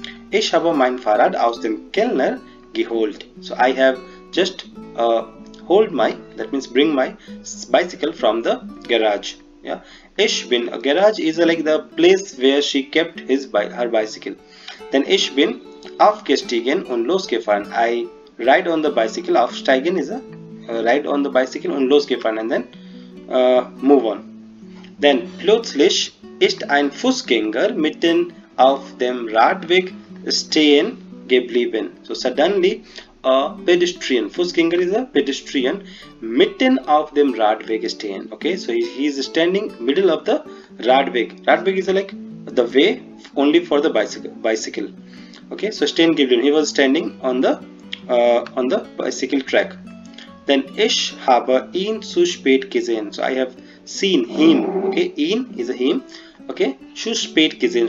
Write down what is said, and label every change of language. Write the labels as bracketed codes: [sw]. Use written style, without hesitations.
[de] Ich habe mein Fahrrad aus dem Keller geholt. [en] So I have just hold my, that means bring my bicycle from the garage. Yeah, [de] ich bin, [en] a garage is like the place where she kept his her bicycle. Then [de] ich bin aufgestiegen und losgefahren. [en] I ride on the bicycle. Aufsteigen is a ride on the bicycle [de] und losgefahren [en] and then move on. Then [de] plötzlich ist ein Fußgänger mitten auf dem Radweg stehen geblieben. [en] So suddenly a pedestrian, Fußgänger is a pedestrian, [de] mitten auf dem Radweg stehen. [en] Okay, so he is standing middle of the Radweg. Radweg is like the way only for the bicycle. Okay, so [de] stehen geblieben. [en] He was standing on the bicycle track. [de] Then ich habe ihn zu spät gesehen. [en] So I have seen him. Okay, ihn is a him. Okay, [de] zu spät gesehen.